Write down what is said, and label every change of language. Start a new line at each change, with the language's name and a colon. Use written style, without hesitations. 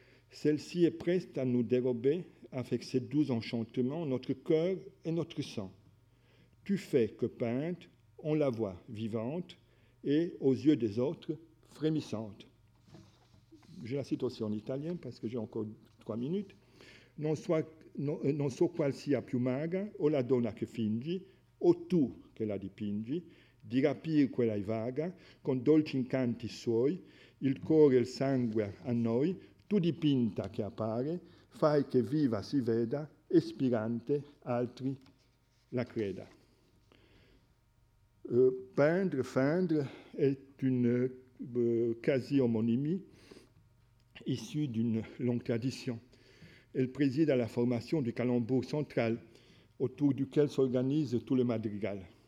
French: Celle-ci est prête à nous dérober avec ses doux enchantements notre cœur et notre sang. Tu fais que peintre, on la voit vivante et, aux yeux des autres, frémissante. Je la cite aussi en italien parce que j'ai encore 3 minutes.
Italian: Non so qual sia più magra o la donna che fingi, o tu che la dipingi, di rapir quella vaga, con dolci incanti suoi, il cuore e il sangue a noi, tu dipinta che appare, fai che viva si veda, e spirante altri la creda.
French: Peindre, feindre est une quasi-homonymie issue d'une longue tradition. Elle préside à la formation du calembour central autour duquel s'organise tout le madrigal.